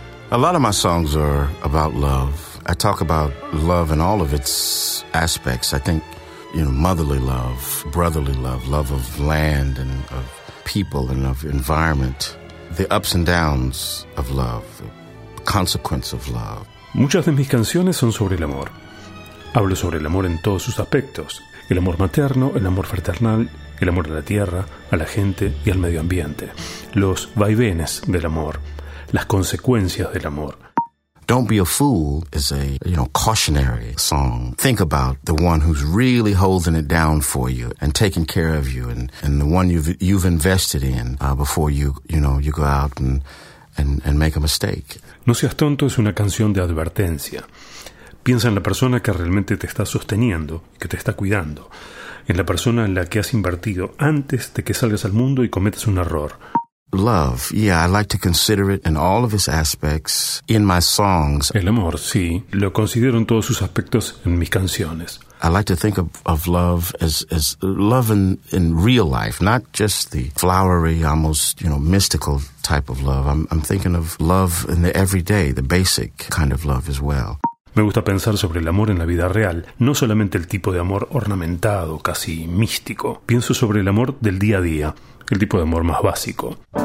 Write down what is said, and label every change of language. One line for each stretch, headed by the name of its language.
English: A lot of my songs are about love. I talk about love in all of its aspects. I think, you know, motherly love, brotherly love, love of land and of people and of environment, the ups and downs of love, the consequence of love.
Spanish: Muchas de mis canciones son sobre el amor. Hablo sobre el amor en todos sus aspectos. El amor materno, el amor fraternal, el amor a la tierra, a la gente y al medio ambiente. Los vaivenes del amor, las consecuencias del amor.
English: Don't Be a Fool is a, you know, cautionary song. Think about the one who's really holding it down for you and taking care of you and the one you've invested in before you go out and make a mistake.
Spanish: No seas tonto es una canción de advertencia. Piensa en la persona que realmente te está sosteniendo, que te está cuidando. En la persona en la que has invertido antes de que salgas al mundo y cometas un error.
English: Love, yeah, I like to consider it in all of its aspects in my songs.
Spanish: El amor, sí, lo considero en todos sus aspectos en mis canciones.
English: I like to think of love as love in real life, not just the flowery, almost, you know, mystical type of love. I'm thinking of love in the everyday, the basic kind of love as well.
Spanish: Me gusta pensar sobre el amor en la vida real, no solamente el tipo de amor ornamentado, casi místico. Pienso sobre el amor del día a día, el tipo de amor más básico.